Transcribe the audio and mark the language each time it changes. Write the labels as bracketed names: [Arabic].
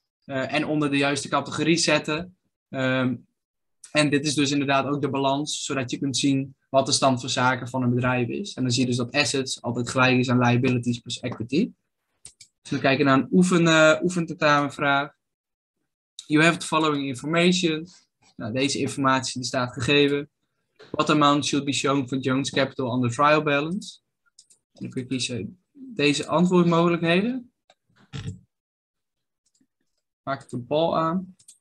[Dutch] En onder de juiste categorie zetten. En dit is dus inderdaad ook de balans, zodat je kunt zien wat de stand van zaken van een bedrijf is. En dan zie je dus dat assets altijd gelijk is aan liabilities plus equity. Dus we kijken naar een oefententamenvraag. [English] You have the following information. [Dutch] Nou, deze informatie die staat gegeven. [English] What amount should be shown for Jones Capital on the trial balance? [Dutch] En dan kun je kiezen deze antwoordmogelijkheden. Maak de bal aan.